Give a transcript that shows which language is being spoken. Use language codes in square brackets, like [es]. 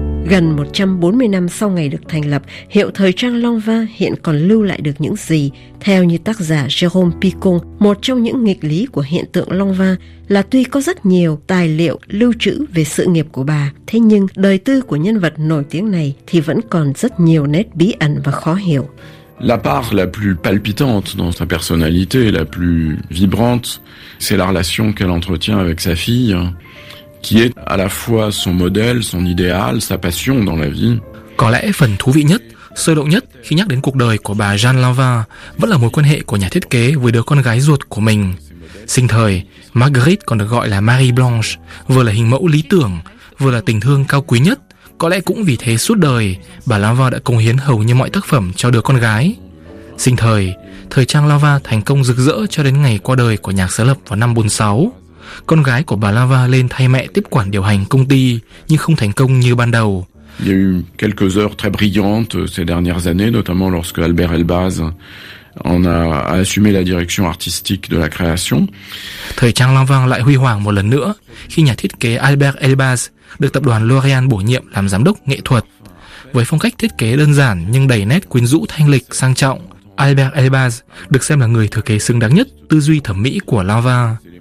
[vi] Gần 140 năm sau ngày được thành lập, hiệu thời trang Lanvin hiện còn lưu lại được những gì? Theo như tác giả Jérôme Picon, một trong những nghịch lý của hiện tượng Lanvin là tuy có rất nhiều tài liệu lưu trữ về sự nghiệp của bà, thế nhưng đời tư của nhân vật nổi tiếng này thì vẫn còn rất nhiều nét bí ẩn và khó hiểu. [fr] La part la plus palpitante dans sa personnalité, la plus vibrante, c'est la relation qu'elle entretient avec sa fille. Qui est à la fois son modèle, son idéal, sa passion dans la vie. [vi] Có lẽ phần thú vị nhất, sôi động nhất khi nhắc đến cuộc đời của bà Jeanne Lanvin vẫn là mối quan hệ của nhà thiết kế với đứa con gái ruột của mình. Sinh thời, Marguerite còn được gọi là Marie Blanche, vừa là hình mẫu lý tưởng, vừa là tình thương cao quý nhất. Có lẽ cũng vì thế suốt đời, bà Lanvin đã cống hiến hầu như mọi tác phẩm cho đứa con gái. Sinh thời, thời trang Lanvin thành công rực rỡ cho đến ngày qua đời của nhạc sáng lập vào năm 46. Con gái của bà Lanvin lên thay mẹ tiếp quản điều hành công ty nhưng không thành công như ban đầu. [fr] Il y a eu quelques heures très brillantes ces dernières années, notamment lorsque Albert Elbaz en a assumé la direction artistique de la création. [vi] Thời trang Lanvin lại huy hoàng một lần nữa khi nhà thiết kế Albert Elbaz được tập đoàn L'Oréal bổ nhiệm làm giám đốc nghệ thuật. Với phong cách thiết kế đơn giản nhưng đầy nét quyến rũ thanh lịch sang trọng, Albert Elbaz được xem là người thừa kế xứng đáng nhất tư duy thẩm mỹ của Lanvin.